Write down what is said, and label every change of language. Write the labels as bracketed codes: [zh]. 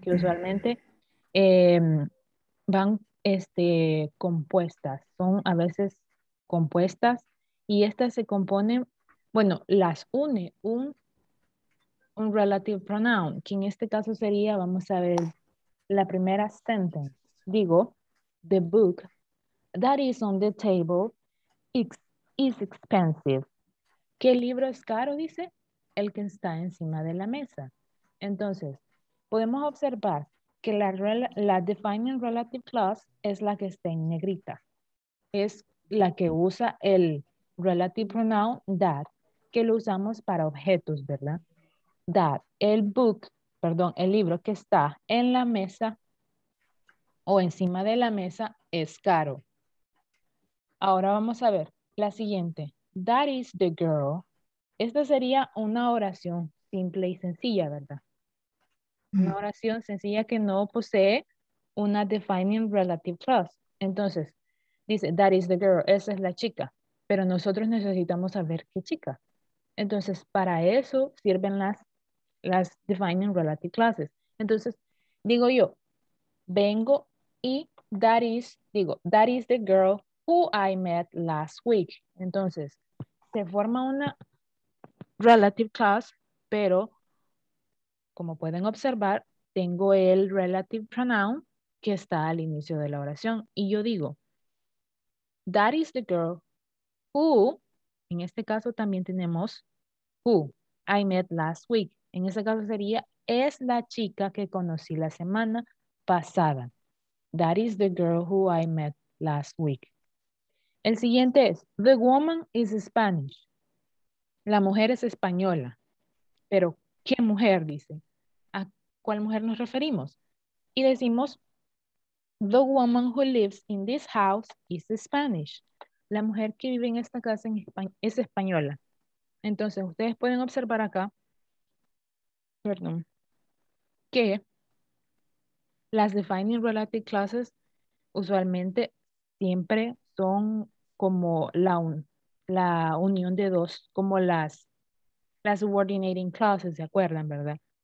[es] Que usualmente van compuestas, son a veces compuestas y estas se componen, bueno, las une un relative pronoun, que en este caso sería, vamos a ver, la primera sentence. [en] Digo, the book that is on the table is expensive. [es] ¿Qué libro es caro? Dice el que está encima de la mesa. Entonces, podemos observar que la defining relative clause es la que está en negrita. Es la que usa el relative pronoun that, que lo usamos para objetos, ¿verdad? That, el libro que está en la mesa o encima de la mesa es caro. Ahora vamos a ver. La siguiente, [en] that is the girl. [es] Esta sería una oración simple y sencilla, ¿verdad? Una oración sencilla que no posee una defining relative clause. Entonces, dice, [en] that is the girl, [es] esa es la chica. Pero nosotros necesitamos saber qué chica. Entonces, para eso sirven las defining relative clauses. Entonces, digo yo, vengo y [en] that is the girl who I met last week. [es] Entonces, se forma una relative clause, pero como pueden observar, tengo el relative pronoun que está al inicio de la oración. Y yo digo, [en] that is the girl who, [es] en este caso también tenemos [en] who I met last week. [es] En este caso sería, es la chica que conocí la semana pasada. [en] That is the girl who I met last week. [es] El siguiente es, [en] the woman is Spanish. [es] La mujer es española. Pero, ¿qué mujer? Dice. ¿A cuál mujer nos referimos? Y decimos, [en] the woman who lives in this house is Spanish. [es] La mujer que vive en esta casa es española. Entonces, ustedes pueden observar acá. Perdón. que las defining relative clauses usualmente siempre son como la unión de dos, como las subordinating clauses, ¿se acuerdan, verdad?